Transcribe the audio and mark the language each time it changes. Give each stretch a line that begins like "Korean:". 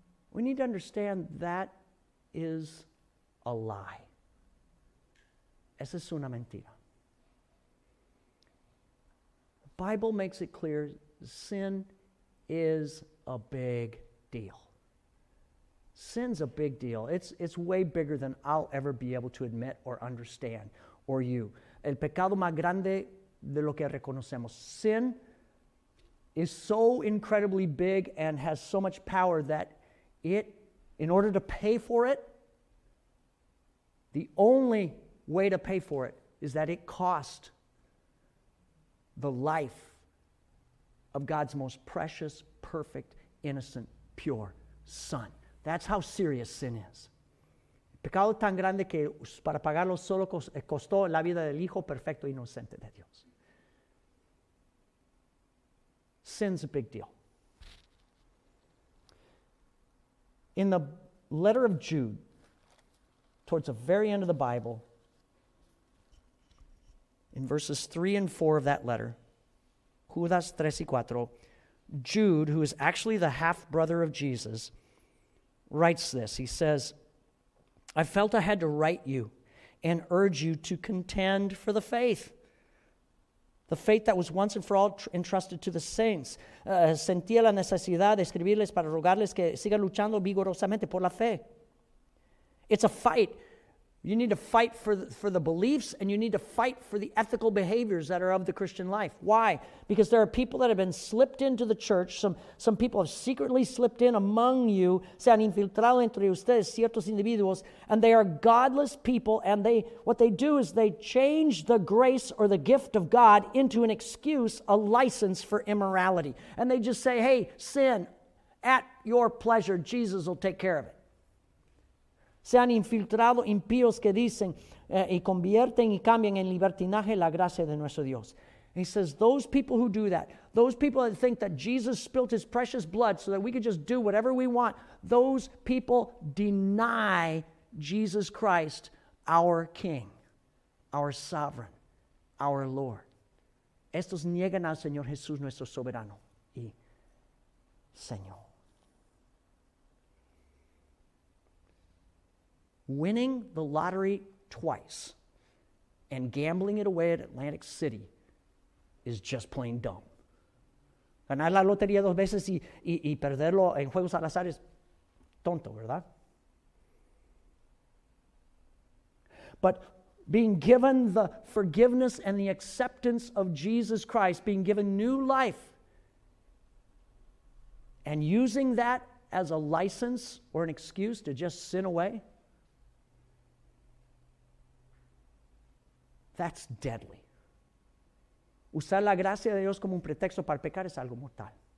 English: We need to understand that is a lie.
Spanish: Esa es una mentira.
English: The Bible makes it clear sin is a big deal. Sin's a big deal. It's way bigger than I'll ever be able to admit or understand, or you.
Spanish: El pecado más grande de lo que reconocemos.
English: Sin is so incredibly big and has so much power that it, in order to pay for it, the only way to pay for it is that it cost the life of God's most precious, perfect, innocent, pure Son. That's how serious sin is.
Spanish: Pecado tan grande que para pagarlo solo costó la vida del Hijo perfecto e inocente de Dios.
English: Sin's a big deal. In the letter of Jude, towards the very end of the Bible, in verses 3 and 4 of that letter, Judas 3 y 4, Jude, who is actually the half-brother of Jesus, writes this. He says, I felt I had to write you and urge you to contend for the faith. The faith that was once and for all entrusted to the saints.
Spanish: Sentía la necesidad de escribirles para rogarles que sigan luchando vigorosamente por la fe.
English: It's a fight. You need to fight for the beliefs, and you need to fight for the ethical behaviors that are of the Christian life. Why? Because there are people that have been slipped into the church. Some people have secretly slipped in among you.
Spanish: Se han infiltrado entre ustedes ciertos individuos.
English: And they are godless people, and what they do is they change the grace or the gift of God into an excuse, a license for immorality. And they just say, hey, sin, at your pleasure, Jesus will take care of it.
Spanish: Se han infiltrado impíos que dicen y convierten y cambian en libertinaje la gracia de nuestro Dios.
English: He says, those people who do that, those people that think that Jesus spilt his precious blood so that we could just do whatever we want, those people deny Jesus Christ, our King, our Sovereign, our Lord.
Spanish: Estos niegan al Señor Jesús, nuestro soberano y Señor.
English: Winning the lottery twice and gambling it away at Atlantic City is just plain dumb.
Spanish: Ganar la lotería dos veces y perderlo en juegos al azar es tonto, ¿verdad?
English: But being given the forgiveness and the acceptance of Jesus Christ, being given new life, and using that as a license or an excuse to just sin away, that's deadly.
Spanish: Usar la gracia de Dios como un pretexto para pecar es algo mortal.